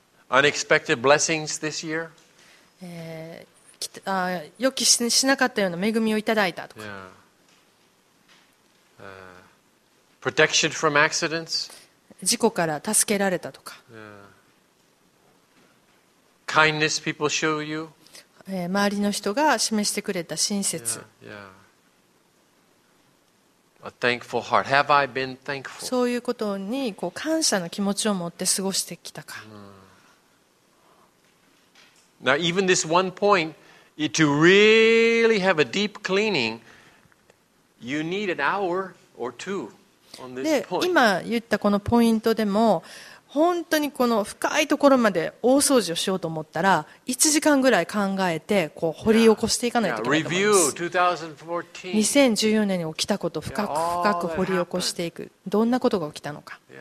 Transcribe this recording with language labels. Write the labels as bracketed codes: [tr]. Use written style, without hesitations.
[en] Unexpected blessings this year? [ja] 予期しなかったような恵みをいただいたとか。 [en] Protection from accidents? [ja] 事故から助けられたとか。 [en] Kindness people show you. [ja] 周りの人が示してくれた親切。 [en] Yeah, yeah. thankful heart. Have I been thankful? [ja] そういうことにこう感謝の気持ちを持って過ごしてきたか。 [en] Now, even this one point, to really have a deep cleaning, you need an hour or two on this point. [ja] で、今言ったこのポイントでも、本当にこの深いところまで大掃除をしようと思ったら、1時間ぐらい考えて、こう、掘り起こしていかないといけないと思います。 2014年に起きたことを深く掘り起こしていく。どんなことが起きたのか。